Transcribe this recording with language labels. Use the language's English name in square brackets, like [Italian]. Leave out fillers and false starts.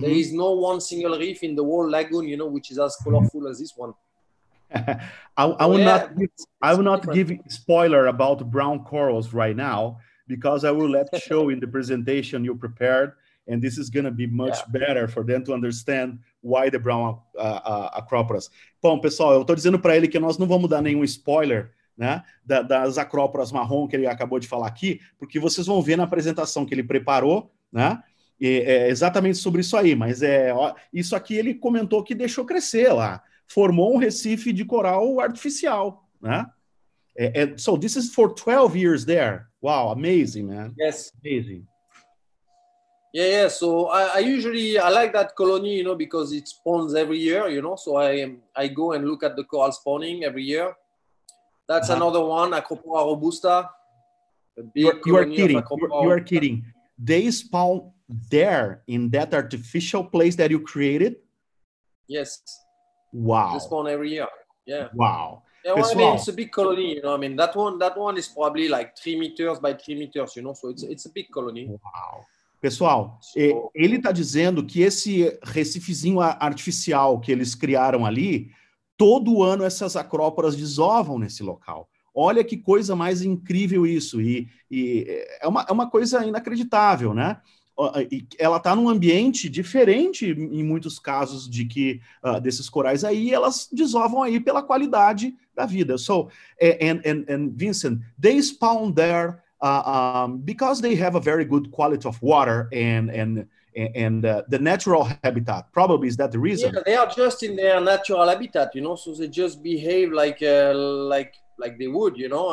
[English] There is no one single reef in the whole lagoon, you know, which is as colorful as this one. I will not give spoiler about brown corals right now, because I will let show in the presentation you prepared, and this is going to be much better for them to understand why the brown acróporas. [Portuguese] Bom, pessoal, eu estou dizendo para ele que nós não vamos dar nenhum spoiler, né, das acróporas marrom que ele acabou de falar aqui, porque vocês vão ver na apresentação que ele preparou, né, e, é exatamente sobre isso aí, mas é ó, isso aqui ele comentou que deixou crescer lá, formou um recife de coral artificial, né? [English] So this is for 12 years there. Wow, amazing, man. Yes. Amazing. Yeah, so I usually like that colony, you know, because it spawns every year, you know, so I go and look at the coral spawning every year. That's another one, Acropora robusta. You are kidding. They spawn there in that artificial place that you created? Yes. Wow. They spawn every year, yeah. Wow. Yeah, well, I mean, it's a big colony, you know, I mean, that one is probably like 3 meters by 3 meters, you know, so it's a big colony. Wow. [Portuguese] Pessoal, ele está dizendo que esse recifezinho artificial que eles criaram ali, todo ano essas acróporas desovam nesse local. Olha que coisa mais incrível isso. E é uma coisa inacreditável, né? Ela está num ambiente diferente, em muitos casos, de que desses corais aí, elas desovam aí pela qualidade da vida. [English] So, and Vincent, they spawn there... because they have a very good quality of water and and the natural habitat. Probably is that the reason? Yeah, they are just in their natural habitat, you know. So they just behave like they would, you know.